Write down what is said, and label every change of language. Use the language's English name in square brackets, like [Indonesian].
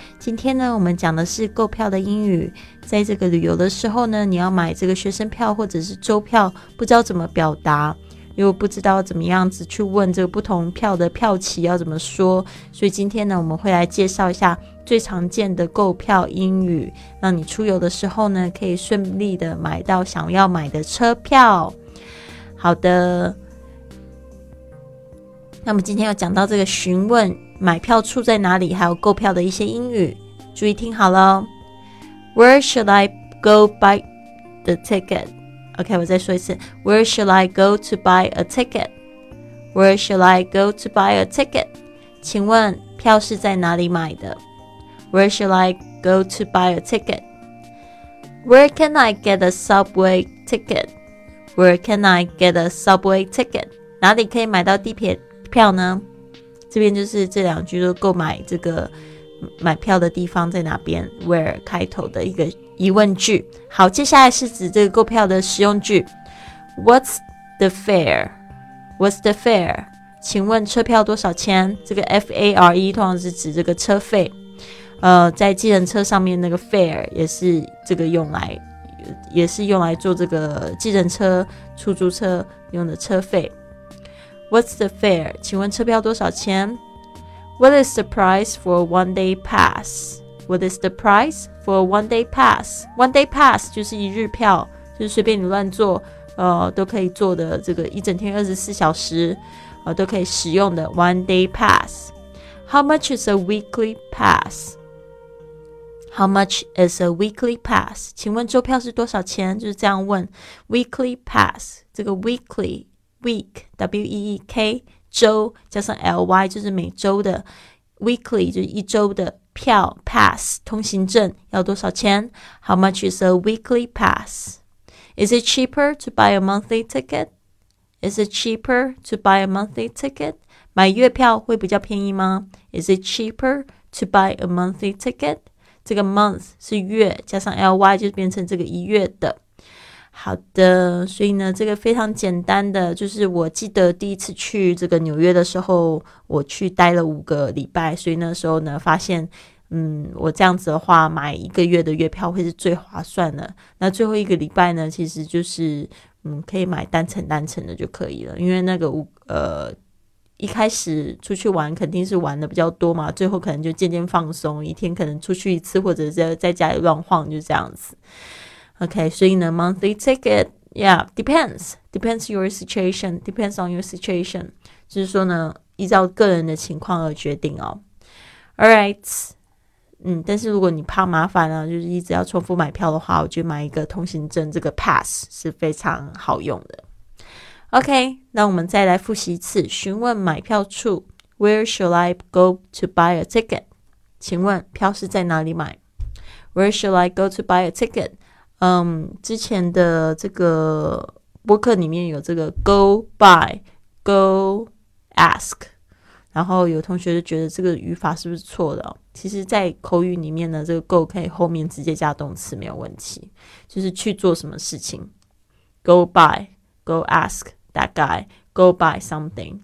[Chinese] 今天呢，我们讲的是购票的英语，在这个旅游的时候呢，你要买这个学生票或者是周票，不知道怎么表达，又不知道怎么样子去问这个不同票的票期要怎么说，所以今天呢，我们会来介绍一下最常见的购票英语，让你出游的时候呢，可以顺利的买到想要买的车票。好的，那么今天要讲到这个询问买票处在哪里，还有购票的一些英语，注意听好了。 [English] Where should I go buy the ticket? [Chinese] OK， 我再说一次。 [English] Where should I go to buy a ticket? Where should I go to buy a ticket? [Chinese] 请问票是在哪里买的？ [English] Where should I go to buy a ticket? Where can I get a subway ticket? Where can I get a subway ticket? [Chinese] 哪里可以买到地铁票呢？这边就是这两句，就购买这个买票的地方在哪边， Where 开头的一个疑问句。好，接下来是指这个购票的实用句。 [English] What's the fare? What's the fare? [Chinese] 请问车票多少钱？这个 F-A-R-E 通常是指这个车费，在计程车上面那个 fare 也是这个用来，也是用来做这个计程车、出租车用的车费。 [English] What's the fare? [Chinese] 请问车票多少钱？ [English] What is the price for a one day pass? What is the price for a one day pass? [Chinese] One day pass 就是一日票，就是随便你乱坐，都可以坐的这个一整天24小时，都可以使用的 one day pass。 [English] How much is a weekly pass? How much is a weekly pass? [Chinese] 请问周票是多少钱？就是这样问。 Weekly pass, 这个 weekly, week, W-E-E-K, 周加上 L-Y 就是每周的。 Weekly 就是一周的票 ,pass, 通行证要多少钱？ [English] How much is a weekly pass? Is it cheaper to buy a monthly ticket? Is it cheaper to buy a monthly ticket? [Chinese] 买月票会比较便宜吗？ [English] Is it cheaper to buy a monthly ticket? [Chinese] 这个 month 是月加上 ly 就变成这个一月的。好的，所以呢这个非常简单的，就是我记得第一次去这个纽约的时候，我去待了五个礼拜，所以那时候呢发现我这样子的话买一个月的月票会是最划算的。那最后一个礼拜呢其实就是可以买单程单程的就可以了，因为那个一开始出去玩肯定是玩的比较多嘛，最后可能就渐渐放松，一天可能出去一次或者在家里乱晃，就这样子。 OK， 所以呢 [English] monthly ticket yeah depends your situation， [Chinese] depends on your situation， 就是说呢依照个人的情况而决定哦。 alright， 但是如果你怕麻烦啊，就是一直要重复买票的话，我觉得买一个通行证这个 pass 是非常好用的。 OK， 那我们再来复习一次，询问买票处 [English] Where shall I go to buy a ticket? [Chinese] 请问票是在哪里买？ [English] Where shall I go to buy a ticket? [Chinese] 之前的这个播客里面有这个 go buy, go ask， 然后有同学就觉得这个语法是不是错的，其实在口语里面呢，这个 go 可以后面直接加动词没有问题，就是去做什么事情， go buy, [English] go askThat guy, go buy something.